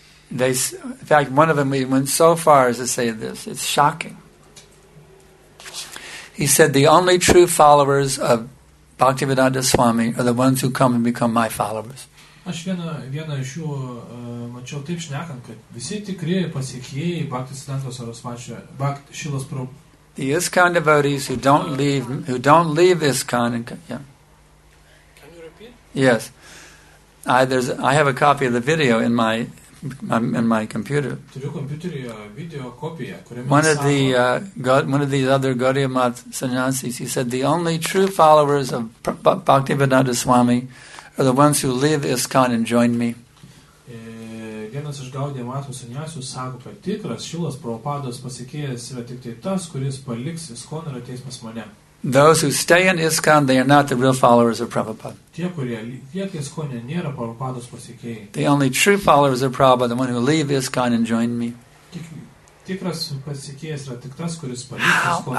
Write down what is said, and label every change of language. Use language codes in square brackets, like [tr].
[en] In fact, one of them even went so far as to say this. It's shocking. He said, the only true followers of Bhaktivedanta Swami are the ones who come and become my followers. [lt] Aš vieną iš jų mačiau taip šnekant, kad visi tikri pasiekėjai Bhaktisiddhanta Saraswati Shila Prabhupada. [en] The ISKCON devotees who don't leave ISKCON. Yeah. Can you repeat? Yes. I have a copy of the video in my computer. [lt] Turiu kompiuteryje video kopiją, kuriame [en] one of these other Gaudiya Math sannyasis, he said the only true followers of Bhaktivedanta Swami are the ones who leave ISKCON and join me. [lt] Vienas iš Gaudiya Math sannyasių sako, kad tikras Šilas Prabhupados pasiekėjas yra tik tai tas, kuris paliks ISKCON ir ateis pas mane. [en] Those who stay in ISKCON, they are not the real followers of Prabhupada. [lt] Tie, kurie lieka ISKCONe, nėra Prabhupados pasiekėjai. [en] The only true followers of Prabhupada, the one who leave ISKCON and join me. [lt] Tikras pasiekėjas yra tik tas, kuris paliks ISKCON.